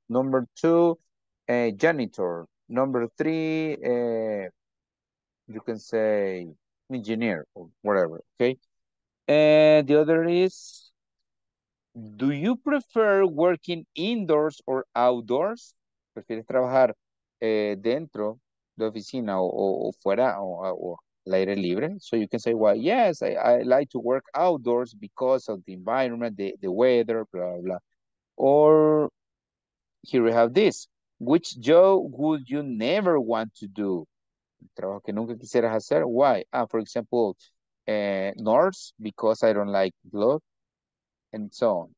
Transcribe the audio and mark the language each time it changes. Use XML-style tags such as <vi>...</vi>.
<en>Number two, a janitor. Number three, you can say engineer or whatever, okay? And the other is, do you prefer working indoors or outdoors?</en> <es>¿Prefieres trabajar dentro de oficina o fuera o al aire libre?</es> <en>So you can say, well, yes, I like to work outdoors because of the environment, the weather, blah, blah, blah. Or here we have this. Which job would you never want to do?</en> <es>Trabajo que nunca quisieras hacer.</es> <en>Why? Ah, for example, nurse, because I don't like blood, and so on.</en>